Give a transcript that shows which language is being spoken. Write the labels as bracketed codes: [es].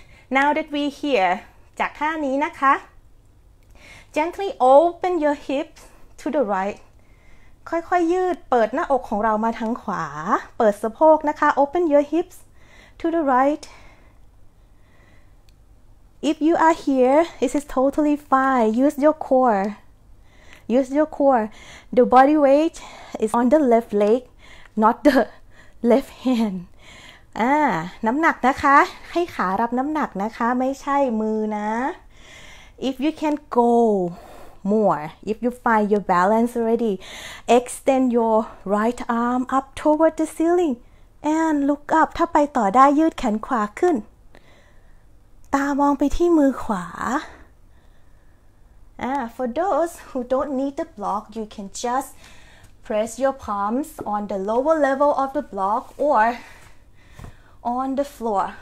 [en] Now that we're here, [th] จากท่านี้นะคะ [en] Gently open your hips to the right. [th] ค่อยๆยืดเปิดหน้าอกของเรามาทางขวาเปิดสะโพกนะคะ [en] Open your hips to the right. If you are here, this is totally fine. Use your core. The body weight is on the left leg, not the left hand. [th] น้ำหนักนะคะให้ขารับน้ำหนักนะคะไม่ใช่มือนะ [en] If you can go more, if you find your balance already, extend your right arm up toward the ceiling and look up. [th] ถ้าไปต่อได้ยืดแขนขวาขึ้นตามองไปที่มือขวา [en] For those who don't need the block, you can just press your palms on the lower level of the block or on the floor.